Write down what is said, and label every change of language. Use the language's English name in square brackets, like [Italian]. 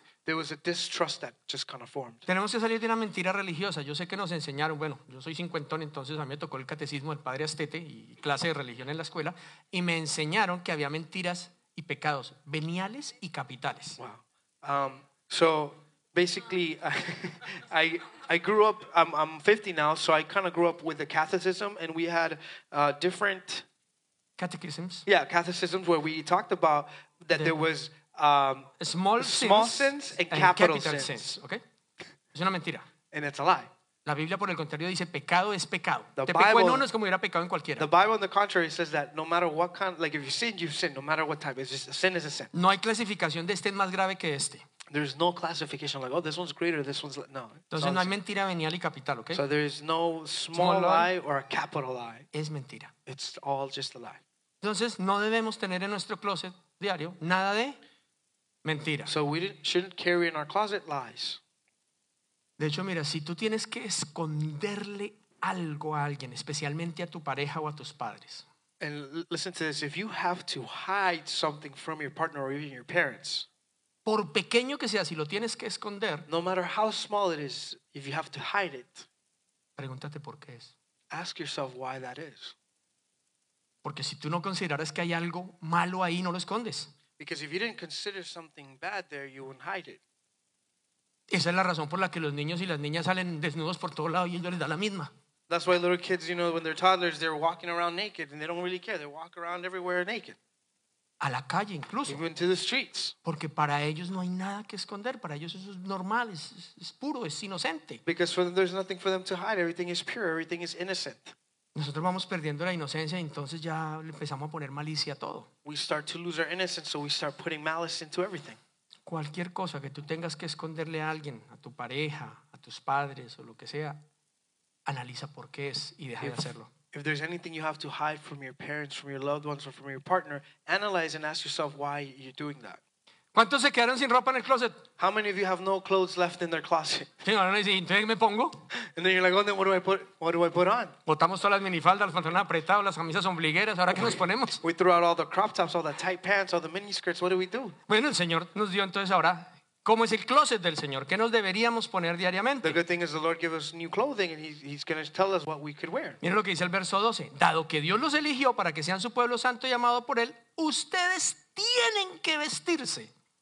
[English] There was a distrust that just kind of formed. [Spanish] Tenemos que salir de una mentira religiosa. Yo sé que nos enseñaron, bueno, yo soy cincuentón, entonces a mí me tocó el catecismo del padre Astete y clase de religión en la escuela, y me enseñaron que había mentiras y pecados veniales y capitales. [English] Wow. So basically, I grew up, I'm 50 now, so I kind of grew up with the catechism, and we had different... Catechisms. Yeah, catechisms, where we talked about that there was... Small sins and capital sins. [Spanish] Okay? Es una mentira. [English] And it's a lie. [Spanish] La Biblia, por el contrario, dice pecado es pecado. Te pecó en uno, es como hubiera pecado en cualquiera. [English] The Bible, on the contrary, says that no matter what kind, like if you sin, you sin, no matter what type. It's just, sin is a sin. [Spanish] No hay clasificación de este más grave que este. [English] There's no classification like, oh, this one's greater, this one's no. [Spanish] Entonces no hay mentira venial y capital, okay? [English] So there is no small lie or a capital lie. [Spanish] Es mentira. [English] It's all just a lie. [Spanish] Entonces no debemos tener en nuestro closet diario nada de mentira. [English] So we shouldn't carry in our closet lies. [Spanish] De hecho, mira, si tú tienes que esconderle algo a alguien, especialmente a tu pareja o a tus padres. [English] And listen to this, if you have to hide something from your partner or even your parents. [Spanish] Por pequeño que sea, si lo tienes que esconder. [English] No matter how small it is, if you have to hide it. [Spanish] Pregúntate por qué es. [English] Ask yourself why that is. [Spanish] Porque si tú no consideras que hay algo malo ahí, no lo escondes. [English] Because if you didn't consider something bad there, you wouldn't hide it. [Spanish] Esa es la razón por la que los niños y las niñas salen desnudos por todo lado y ellos les da la misma. [English] That's why little kids, you know, when they're toddlers, they're walking around naked and they don't really care. They walk around everywhere naked. [Spanish] A la calle incluso. [English] Even to the streets. [Spanish] Porque para ellos no hay nada que esconder. Para ellos eso es normal, es puro, es inocente. [English] Because for them, there's nothing for them to hide. Everything is pure, everything is innocent. [Spanish] Nosotros vamos perdiendo la inocencia y entonces ya empezamos a poner malicia a todo. [English] We start to lose our innocence, so we start putting malice into everything. [Spanish] Cualquier cosa que tú tengas que esconderle a alguien, a tu pareja, a tus padres o lo que sea, analiza por qué es y deja de hacerlo. [English] If there's anything you have to hide from your parents, from your loved ones, or from your partner, analyze and ask yourself why you're doing that. [Spanish] ¿Cuántos se quedaron sin ropa en el closet? [English] How many of you have no clothes left in their closet? [Spanish] ¿Me pongo? [English] And then you're like, oh, what do I put on? [Spanish] Botamos todas las minifaldas, los pantalones apretados, las camisas ombligueras. ¿Ahora qué nos ponemos? [English] We threw out all the crop tops, all the tight pants, all the mini skirts. What do we do? [Spanish] Bueno, el Señor nos dio entonces ahora cómo es el closet del Señor. ¿Qué nos deberíamos poner diariamente? [English] The good thing is the Lord gives us new clothing and he's going to tell us what we could wear. [Spanish] Miren lo que dice el verso 12. Dado que Dios los eligió para que sean su pueblo santo y amado por él, ustedes tienen que vestirse.